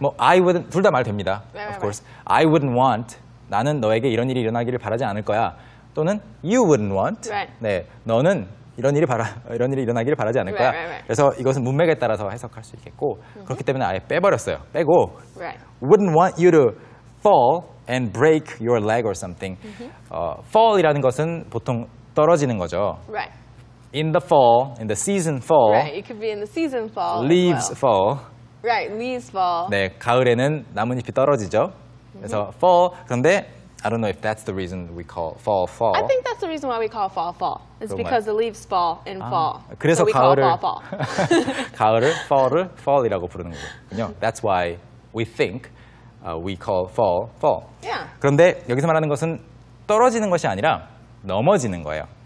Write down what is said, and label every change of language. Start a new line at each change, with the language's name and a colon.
Korean: 뭐
English: I wouldn't
Korean: 둘 다 말 됩니다.
English: Right, of course. I wouldn't want
Korean: 나는 너에게 이런 일이 일어나기를 바라지 않을 거야. 또는
English: you wouldn't want right.
Korean: 네. 너는 이런 일이 바라 이런 일이 일어나기를 바라지 않을
English: right,
Korean: 거야.
English: Right, right.
Korean: 그래서 이것은 문맥에 따라서 해석할 수 있겠고 mm-hmm. 그렇기 때문에 아예 빼버렸어요. 빼고
English: right. wouldn't want you to fall and break your leg or something. Mm-hmm.
Korean: Fall이라는 것은 보통 떨어지는 거죠.
English: Right. In the fall, in the season fall. Right, it could be in the season fall. Leaves well. fall. Right, leaves fall.
Korean: 네, 가을에는 나뭇잎이 떨어지죠. 그래서 mm-hmm. fall. 그런데
English: I don't know if that's the reason we call fall fall. I think that's the reason why we call fall fall. It's because the leaves fall in 아, fall.
Korean: 그래서
English: so
Korean: 가을을
English: fall, fall.
Korean: 가을을 fall을 fall이라고 부르는 거군요.
English: That's why we think we call fall fall. Yeah.
Korean: 그런데 여기서 말하는 것은 떨어지는 것이 아니라 넘어지는 거예요.